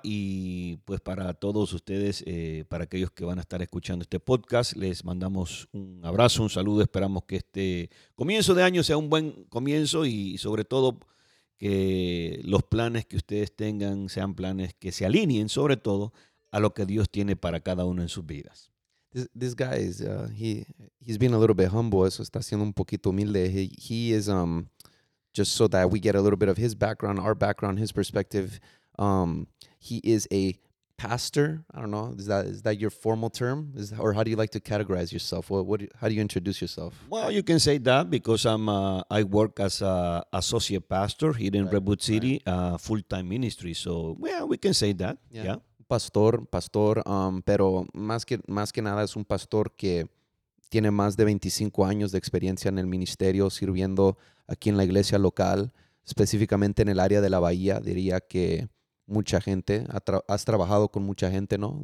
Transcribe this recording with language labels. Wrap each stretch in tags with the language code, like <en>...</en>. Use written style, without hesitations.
<es>Y pues para todos ustedes, para aquellos que van a estar escuchando este podcast, les mandamos un abrazo, un saludo. Esperamos que este comienzo de año sea un buen comienzo y sobre todo que los planes que ustedes tengan sean planes que se alineen sobre todo a lo que Dios tiene para cada uno en sus vidas.</es> <en>This guy is, he's being a little bit humble.</en> <es>Eso está siendo un poquito humilde.</es> <en>He is just so that we get a little bit of his background, our background, his perspective. He is a pastor. I don't know. Is that your formal term? Or how do you like to categorize yourself? How do you introduce yourself? Well, you can say that because I work as an associate pastor here in Redwood City, full-time ministry. So, yeah, we can say that. Yeah.</en> <es>Pastor, pero más que nada es un pastor que tiene más de 25 años de experiencia en el ministerio sirviendo aquí en la iglesia local, específicamente en el área de la bahía. Diría que mucha gente, has trabajado con mucha gente, ¿no?</es>